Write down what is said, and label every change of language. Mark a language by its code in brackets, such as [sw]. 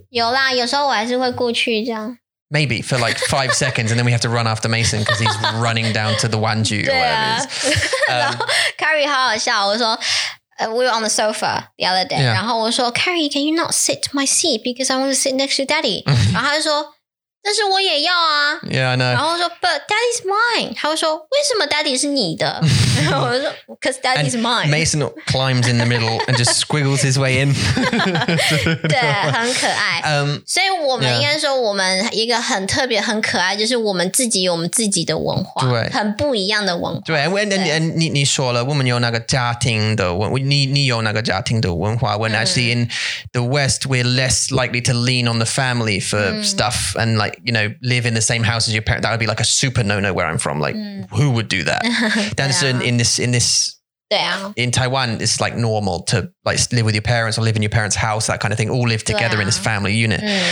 [zh] 有啦有时候我还是会过去这样 [en] Maybe for like 5 seconds. And then we have to run after Mason because he's running down to the Wanju or whatever it is. [zh] 然后 Carrie 好好笑我说 [en] We were on the sofa the other day. Yeah. [zh] 然后我说 [en] Carrie, can you not sit to my seat? Because I want to sit next to daddy. [zh] 然后他就说但是我也要啊。 [en] Yeah, I know. [zh] 然后我说 [en] but daddy's mine. [zh] 他会说为什么 daddy 是你的？ [en] Because daddy's mine. Mason climbs in the middle and just squiggles his way in. [zh] 对，很可爱。所以我们应该说我们一个很特别很可爱就是我们自己有我们自己的文化。对。很不一样的文化。对。对 and 你说了我们有那个家庭的文化。你有那个家庭的文化。 [en] When actually in the West, we're less likely to lean on the family for stuff and like, you know, live in the same house as your parents. That would be like a super no-no where I'm from. Like, who would do that? [zh] 但是 [en] in this, in Taiwan, it's like normal to like live with your parents or live in your parents' house, that kind of thing, all live together in this family unit.